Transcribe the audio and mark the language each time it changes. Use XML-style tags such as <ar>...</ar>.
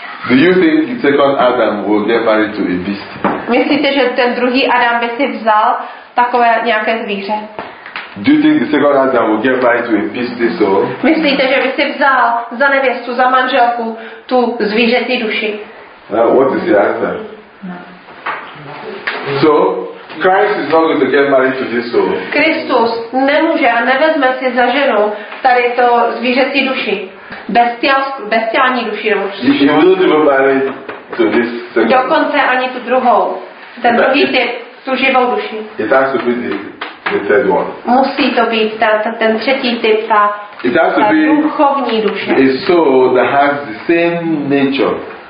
<en>Do you think the second Adam will get married to a beast?</en> <cs>Myslíte, že ten druhý Adam by si vzal takové nějaké zvíře?</cs> <en>Do you think the second Adam will get married to a beast also?</en> <cs>Myslíte, že by si vzal za nevěstu, za manželku tu zvířetí duši?</cs> <en>What is the answer? So, Christ is not going to get married to this soul.</en> <cs>Kristus nemůže a nevezme si za ženu tady to zvířecí duši. Bestiální duši nebo duši.</cs> <en>He will not even marry to this second.</en> <cs>Dokonce ani tu druhou. Ten but druhý typ, tu živou duši.</cs> <en>It has to be the third one.</en> <cs>Musí to být ten třetí typ, ta duchovní duše.</cs> <en>It has to be a soul that has the same nature.</en>